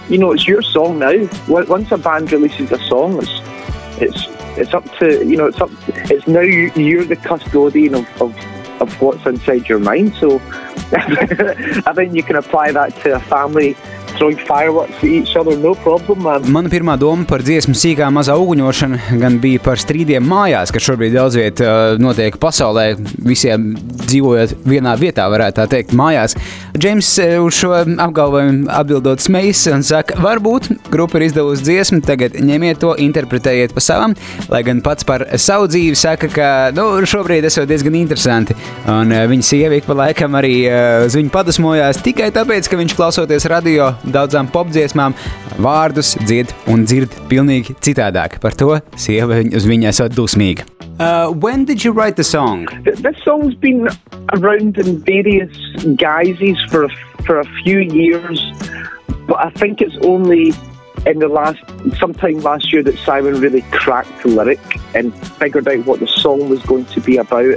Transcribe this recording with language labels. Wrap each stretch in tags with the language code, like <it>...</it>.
<en>You know, it's your song now. Once a band releases a song, it's now you're the custodian of what's inside your mind. So I think you can apply that to a family throwing fireworks at each other, no problem, man.</en> <lv>Mana pirmā doma par dziesmu sīkā mazā uguņošana gan bija par strīdiem mājās, kas šobrīd daudz viet notiek pasaulē, visiem dzīvojot vienā vietā, varētu tā teikt, mājās. James uz šo apgalvojumu atbildot smejas un saka, varbūt grupa ir izdevusi dziesmu, tagad ņemiet to, interpretējiet pa savam, lai gan pats par savu dzīvi saka, ka nu, šobrīd esot diezgan interesanti. Un viņa sievi pa laikam arī uz viņu padusmojās tikai tāpēc, ka viņš klausoties radio daudzām popdziesmām vārdus dzied un dzird pilnīgi citādāk. Par to sieva uz viņu esot dusmīga.</lv> <en>When did you write the song? This song's been around in various guises for a few years, but I think it's only in the last, sometime last year that Simon really cracked the lyric and figured out what the song was going to be about.</en>